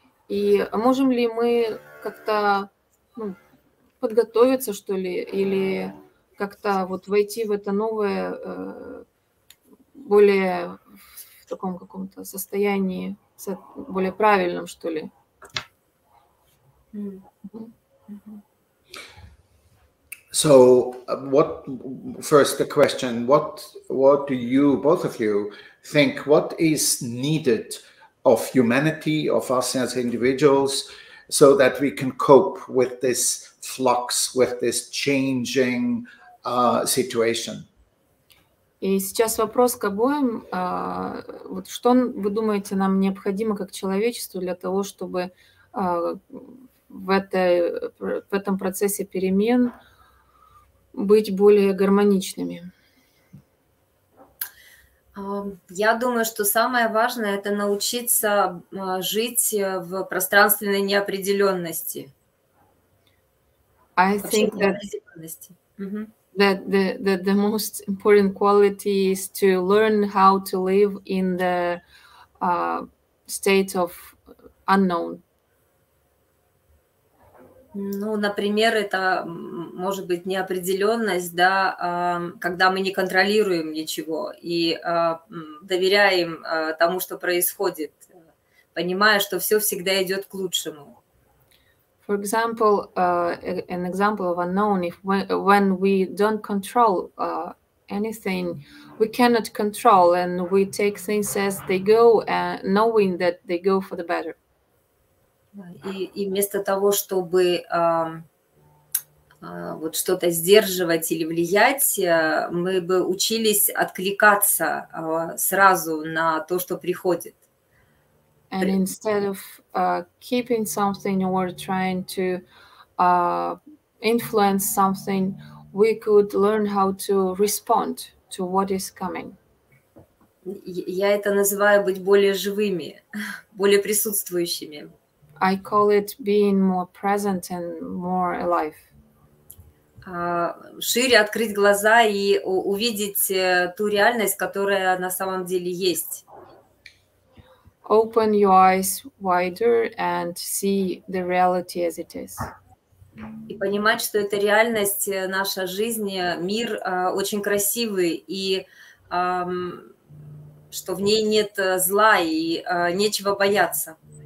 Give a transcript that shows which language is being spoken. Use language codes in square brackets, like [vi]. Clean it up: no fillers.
[ru] И можем ли мы как-то подготовиться, что ли, или как-то вот войти в это новое более в таком каком-то состоянии, более правильном, что ли? [en] So what, first the question, what do you, both of you, think what is needed of humanity, of us as individuals, so that we can cope with this flux, with this changing situation? [ru] И сейчас вопрос к обоим. Вот что вы думаете, нам необходимо как человечеству для того, чтобы в этом процессе перемен быть более гармоничными? Я думаю, что самое важное – это научиться жить в пространственной неопределенности. Неопределенности. [en] That the most important quality is to learn how to live in the state of unknown. [ru] Ну, например, это может быть неопределенность, да, когда мы не контролируем ничего и доверяем тому, что происходит, понимая, что все всегда идет к лучшему. [en] For example, an example of unknown, if when we don't control anything, we cannot control and we take things as they go, knowing that they go for the better. [ru] И вместо того, чтобы вот что-то сдерживать или влиять, мы бы учились откликаться сразу на то, что приходит. [en] And instead of keeping something or trying to influence something, we could learn how to respond to what is coming. [ru] Я это называю быть более живыми, более присутствующими. [en] I call it being more present and more alive. [ru] Шире открыть глаза и увидеть ту реальность, которая на самом деле есть. [en] Open your eyes wider and see the reality as it is. [ru] И понимать, что эта реальность, наша жизнь, мир очень красивый, и что в ней нет зла и нечего бояться.